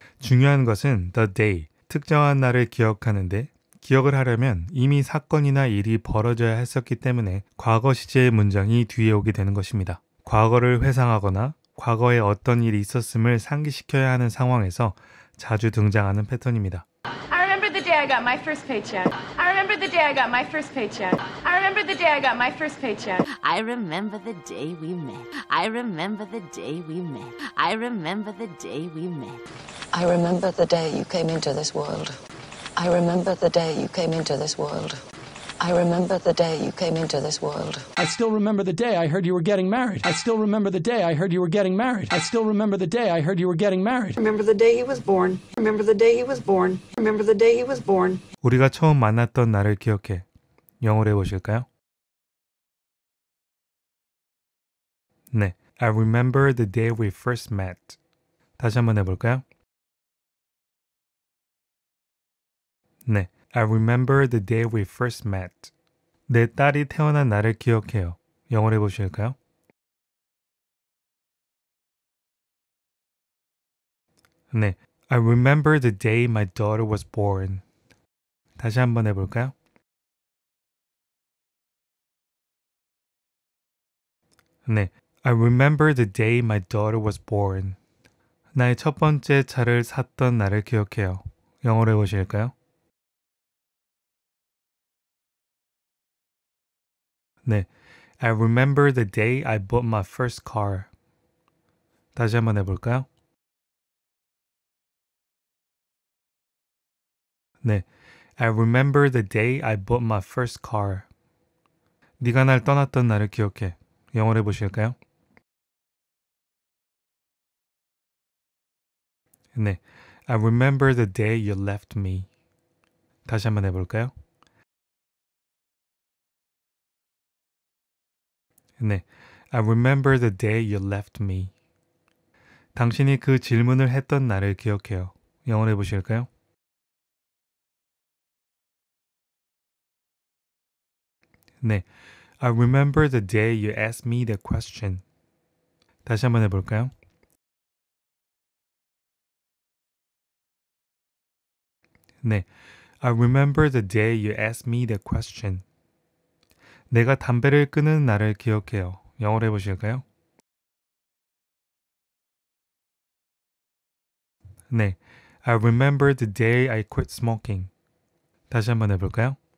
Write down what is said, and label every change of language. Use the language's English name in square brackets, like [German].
[Korean] 중요한 것은 the day, 특정한 날을 기억하는데 기억을 하려면 이미 사건이나 일이 벌어져야 했었기 때문에 과거 시제의 문장이 뒤에 오게 되는 것입니다. 과거를 회상하거나 과거에 어떤 일이 있었음을 상기시켜야 하는 상황에서 자주 등장하는 패턴입니다. [English] I remember the day I got my first paycheck. I remember the day I got my first paycheck. I remember the day I got my first paycheck. I remember the day we met. I remember the day we met. I remember the day we met. I remember the day you came into this world. I remember the day you came into this world. I remember the day you came into this world. I still remember the day I heard you were getting married. I still remember the day I heard you were getting married. I still remember the day I heard you were getting married. Remember the day he was born. Remember the day he was born. Remember the day he was born. [Korean] 우리가 처음 만났던 날을 기억해. 영어로 해보실까요? [English] 네. I remember the day we first met. [Korean] 다시 한번 해볼까요? [English] 네, I remember the day we first met. [Korean] 내 딸이 태어난 날을 기억해요. 영어로 해보실까요? [English] 네, I remember the day my daughter was born. [Korean] 다시 한번 해볼까요? [English] 네, I remember the day my daughter was born. [Korean] 나의 첫 번째 차를 샀던 날을 기억해요. 영어로 해보실까요? 네. [English] I remember the day I bought my first car. [Korean] 다시 한번 해볼까요? 네. [English] I remember the day I bought my first car. [Korean] 네가 날 떠났던 날을 기억해. 영어로 해보실까요? [English] 네. I remember the day you left me. [Korean] 다시 한번 해볼까요? [English] 네. I remember the day you left me. [Korean] 당신이 그 질문을 했던 날을 기억해요. 영어로 해보실까요? 네. [English] I remember the day you asked me the question. [Korean] 다시 한번 해볼까요? 네. [English] I remember the day you asked me the question. [Korean] 내가 담배를 끊은 날을 기억해요. 영어로 해보실까요? [English] 네. I remember the day I quit smoking. [Korean] 다시 한번 해볼까요?